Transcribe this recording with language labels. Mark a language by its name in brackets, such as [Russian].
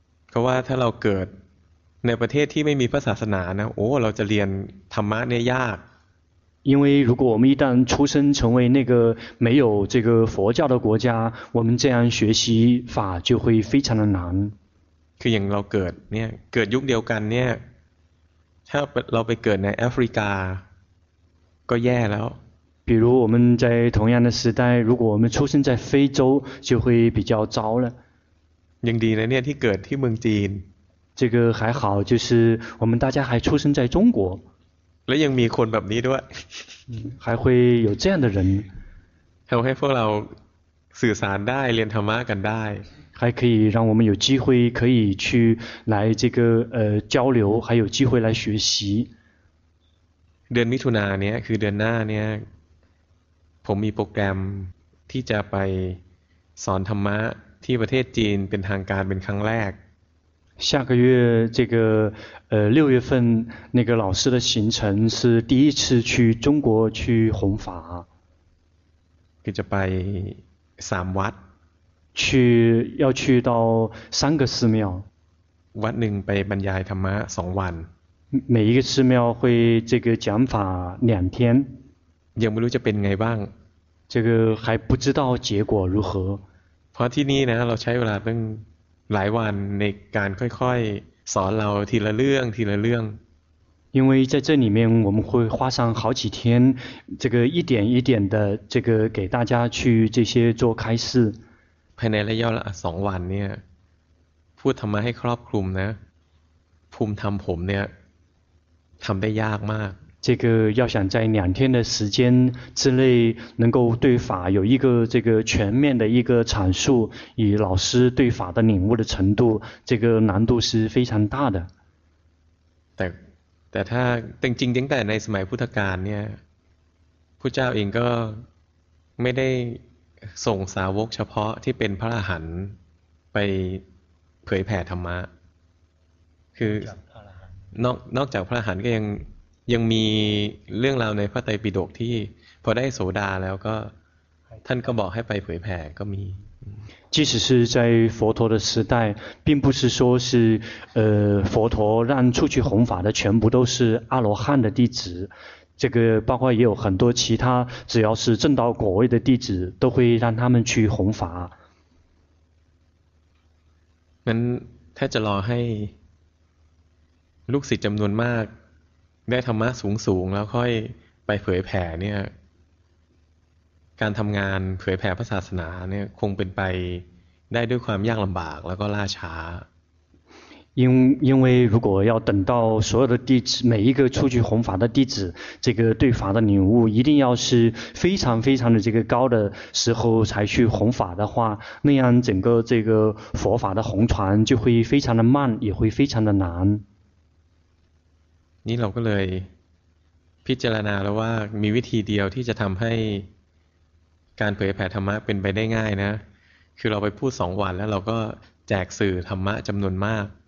[Thai] เพราะว่าถ้าเราเกิดในประเทศที่ไม่มีพระศาสนานะโอ้เราจะเรียนธรรมะเนี่ยยาก [Chinese] 因为如果我们一旦出生成为那个没有这个佛教的国家我们这样学习法就会非常的难 [Thai] คืออย่างเราเกิดเนี่ยเกิดยุคเดียวกันเนี่ยถ้าเราไปเกิดในแอฟริกาก็แย่แล้ว [Chinese] 比如我们在同样的时代如果我们出生在非洲就会比较糟了 [Thai] ยังดีนะเนี่ยที่เกิดที่เมืองจีน [Chinese] 这个还好，就是我们大家还出生在中国， [Thai] แล้วยังมีคนแบบนี้ด้วย [Chinese] 还会有这样的人， [Thai] ทำให้พวกเราสื่อสารได้เรียนธรรมะกันได้ [Chinese] 还可以让我们有机会可以去来这个交流，还有机会来学习。 [Thai] เดือนมิถุนาเนี้ยคือเดือนหน้าเนี้ยผมมีโปรแกรมที่จะไปสอนธรรมะที่ประเทศจีนเป็นทางการเป็นครั้งแรก [Chinese] 下个月这个六月份那个老师的行程是第一次去中国去弘法 [Thai] คือจะไปสามวัด [Chinese] 去要去到三个寺庙 [Thai] วัดหนึ่งไปบรรยายธรรมะสองวัน [Chinese] 每一个寺庙会这个讲法两天 [Thai] ยังไม่รู้จะเป็นไงบ้าง [Chinese] 这个还不知道结果如何 [Thai] เพราะที่นี่นะเราใช้เวลาตั้งหลายวันในการค่อยๆสอนเราทีละเรื่องทีละเรื่อง [Chinese] 因为在这里面我们会花上好几天这个一点一点的这个给大家去这些做开示 [Thai] ภายในระยะเวลา2วันเนี่ยพูดธรรมะให้ครอบคลุมนะภูมิธรรมผมเนี่ยทำได้ยากมาก [Chinese] 这个要想在两天的时间之内能够对法有一个这个全面的一个阐述，以老师对法的领悟的程度，这个难度是非常大的。 [Thai] แต่ถ้าจริงจริงตั้งแต่ในสมัยพุทธกาลเนี่ยพุทธเจ้าเองก็ไม่ได้ส่งสาวกเฉพาะที่เป็นพระอรหันต์ไปเผยแผ่ธรรมะคือนอกจากพระอรหันต์ก็ยังมีเรื่องราวในพระไตรปิฎกที่พอได้โสดาแล้วก็ท่านก็บอกให้ไปเผยแผ่ก็มี [Chinese] 即使是在佛陀的时代并不是说是佛陀让出去弘法的全部都是阿罗汉的弟子这个包括也有很多其他只要是证到果位的弟子都会让他们去弘法 [Thai] งั้นถ้าจะรอให้ลูกศิษย์จำนวนมากได้ธรรมะสูงสูงแล้วค่อยไปเผยแผ่เนี่ยการทำงานเผยแผ่พระศาสนาเนี่ยคงเป็นไปได้ด้วยความยากลำบากแล้วก็ล่าช้า [Chinese] 因为如果要等到所有的弟子每一个出去弘法的弟子这个对法的领悟一定要是非常非常的这个高的时候才去弘法的话那样整个这个佛法的弘传就会非常的慢也会非常的难 [Thai] นี่เราก็เลยพิจารณาแล้วว่ามีวิธีเดียวที่จะทำให้การเผยแผ่ธรรมะเป็นไปได้ง่ายนะคือเราไปพูดสองวันแล้วเราก็แจกสื่อธรรมะจำนวนมาก